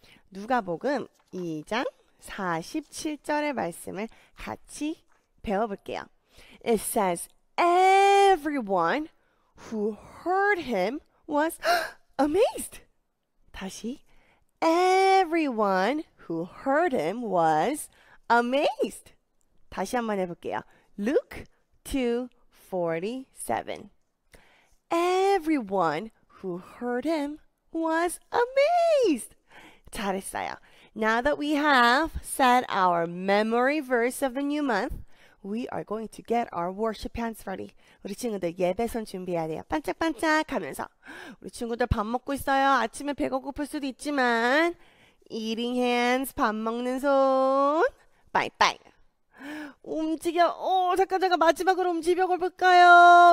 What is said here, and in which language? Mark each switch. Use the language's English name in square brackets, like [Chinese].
[Korean] 누가복음 2장 47절의 말씀을 같이 배워볼게요. [English] It says everyone who heard him was amazed. [Korean] 다시 [English] everyone who heard him was amazed. [Korean] 다시 한번 해볼게요. [English] Luke 2:47. Everyone who heard him was amazed. [Korean] 잘했어요. [English] Now that we have said our memory verse of the new month, we are going to get our worship hands ready. [Korean] 우리 친구들 예배선 준비해야 돼요. 반짝반짝 하면서. 우리 친구들 밥 먹고 있어요. 아침에 배가 고플 수도 있지만, [English] eating hands, [Korean] 밥 먹는 손. [English] Bye bye. [Korean] 움직여. 잠깐 마지막으로 움직여 볼까요?